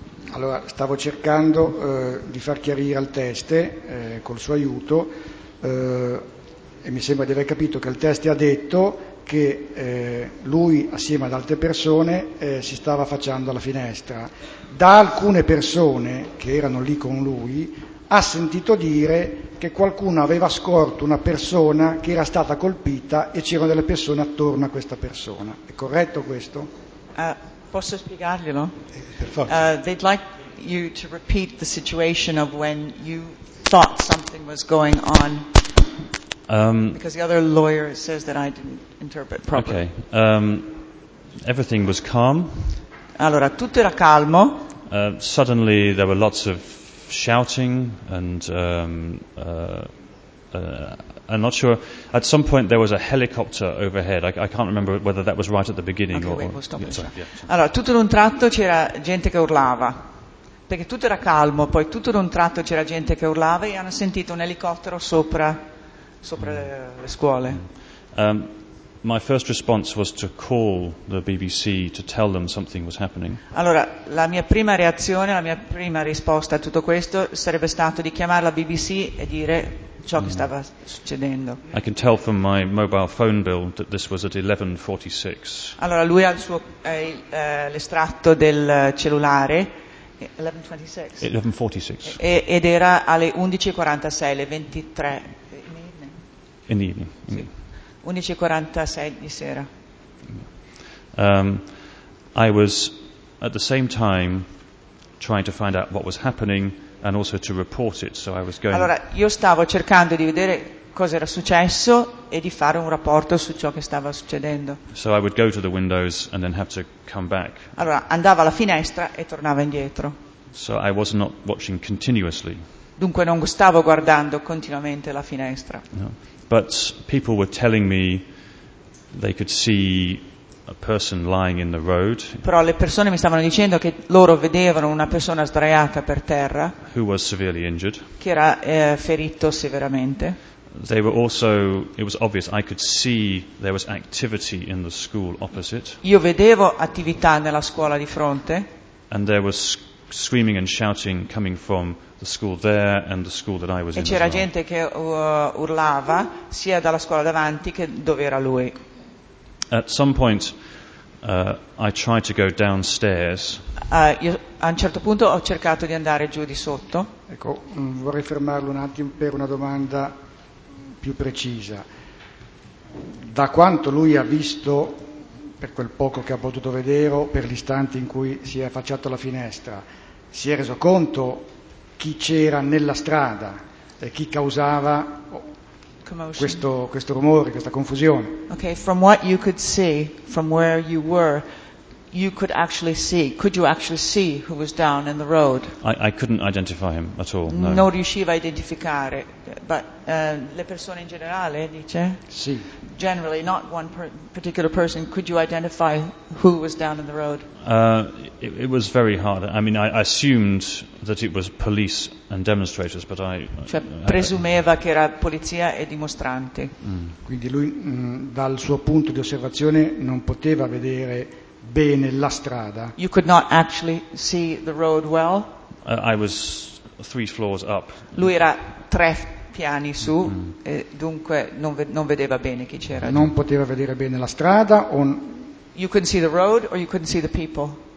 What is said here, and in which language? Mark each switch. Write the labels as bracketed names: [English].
[Italian] Allora, stavo cercando di far chiarire al teste, col suo aiuto, e mi sembra di aver capito che il teste ha detto che lui, assieme ad altre persone, si stava affacciando alla finestra. Da alcune persone che erano lì con lui, ha sentito dire che qualcuno aveva scorto una persona che era stata colpita e c'erano delle persone attorno a questa persona. È corretto questo? Posso spiegarglielo? Per forza. [English] They'd like you to repeat the situation of when you thought something was going on. Because the other lawyer says that I didn't interpret properly. Okay. Everything was calm. [Italian] Allora, tutto era calmo. [English] Suddenly there were lots of shouting and I'm not sure. At some point there was a helicopter overhead. I can't remember whether that was right at the beginning. Okay, or we'll stop. [Italian] Allora, tutto d'un tratto c'era gente che urlava. Perché tutto era calmo, poi tutto d'un tratto c'era gente che urlava e hanno sentito un elicottero sopra le scuole. [English] My first response was to call the BBC to tell them something was happening. [Italian] Allora, la mia prima reazione, la mia prima risposta a tutto questo sarebbe stato di chiamare la BBC e dire ciò che stava succedendo. [English] I can tell from my mobile phone bill that this was at 11:46. [Italian] Allora, lui ha il suo l'estratto del cellulare. 11:46. Ed era alle 11:46, le 23. [English] In the evening. [Italian] Sì. 11:46 di sera. [English] I was at the same time trying to find out what was happening and also to report it, so I was going. [Italian] Allora, io stavo cercando di vedere cosa era successo e di fare un rapporto su ciò che stava succedendo. [English] So I would go to the windows and then have to come back. [Italian] Allora, andavo alla finestra e tornavo indietro. [English] So I was not watching continuously. [Italian] Dunque non stavo guardando continuamente la finestra. No. [English] But people were telling me they could see a person lying in the road. [Italian] Però le persone mi stavano dicendo che loro vedevano una persona sdraiata per terra. [English] Who was severely injured. [Italian] Che era ferito severamente. [English] They were also, it was obvious, I could see there was activity in the school opposite. [Italian] Io vedevo attività nella scuola di fronte. [English] And there was screaming and shouting coming from the school there and the school that I was in. [Italian] E c'era [English] well. [Italian] Gente che urlava sia dalla scuola davanti che dove era lui. [English] At some point I tried to go downstairs. [Italian] Io, a un certo punto ho cercato di andare giù di sotto. Ecco, vorrei fermarlo un attimo per una domanda più precisa. Da quanto lui ha visto, per quel poco che ha potuto vedere, per l'istante in cui si è affacciato alla finestra, si è reso conto chi c'era nella strada e chi causava questo rumore, questa confusione? [English] Okay, from what you could see, from where you were, you could actually see, could you actually see who was down in the road? I couldn't identify him at all, no. [Italian] Non riusciva a identificare, but le persone in generale, dice? Sì. [English] Generally, not one particular person, could you identify who was down in the road? It was very hard. I mean, I assumed that it was police and demonstrators, but I... [Italian] Cioè, presumeva che era polizia e dimostranti. Quindi lui, dal suo punto di osservazione, non poteva vedere bene la strada. [English] You could not actually see the road well. I was three floors up. [Italian] Lui era tre piani su, e dunque non vedeva bene chi c'era. Non poteva vedere bene la strada o. [English] You couldn't see the road or you couldn't see the people.